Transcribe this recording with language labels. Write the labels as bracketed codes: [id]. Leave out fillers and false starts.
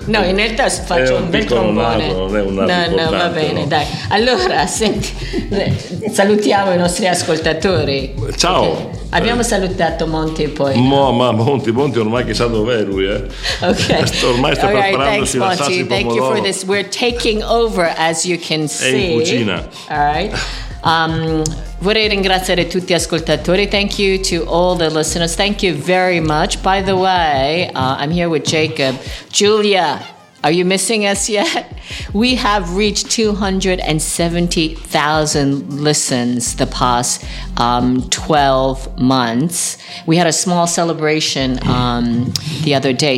[it] No, in realtà faccio un bel trombone. Non è un naso importante. No, va bene, no. Dai. Allora, senti, salutiamo i nostri ascoltatori. Ciao. Okay. Abbiamo salutato Monti e poi... Monti ormai chissà dov'è lui, Ok. Ormai sta preparandosi la salsa di pomodoro. [en] Thanks, Monti. Thank you for this. We're taking over, as you can see. [it] È in cucina. [en] All right. [it] Vorrei ringraziare tutti gli ascoltatori. [en] Thank you to all the listeners. Thank you very much. By the way, I'm here with Jacob. Julia, are you missing us yet? We have reached 270,000 listens the past 12 months. We had a small celebration the other day.